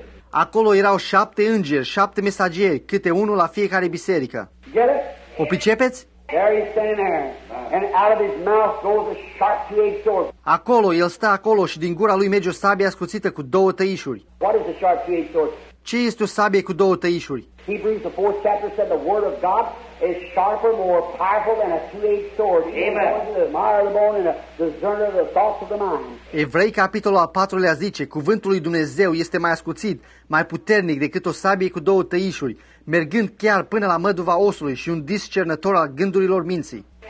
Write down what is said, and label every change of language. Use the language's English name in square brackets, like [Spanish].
[Romanian] Acolo erau șapte îngeri, șapte mesageri, câte unul la fiecare biserică. O pricepeți? [English] There he's standing there. And out of his mouth goes a sharp two-edged sword. [Romanian] Acolo, el stă acolo și din gura lui merge o sabie ascuțită cu două tăișuri. [English] What is a sharp two-edged sword? [Romanian] Ce este o sabie cu două tăișuri? [English] Hebrews, the fourth chapter, said the word of God is sharper, more powerful than a two-edged sword. Amen. The mire of the bone and a discerner of the thoughts of the mind. [Romanian] Evrei, capitolul al patrulea, zice, cuvântul lui Dumnezeu este mai ascuțit, mai puternic decât o sabie cu două tăișuri, mergând chiar până la măduva osului și un discernător al gândurilor minții.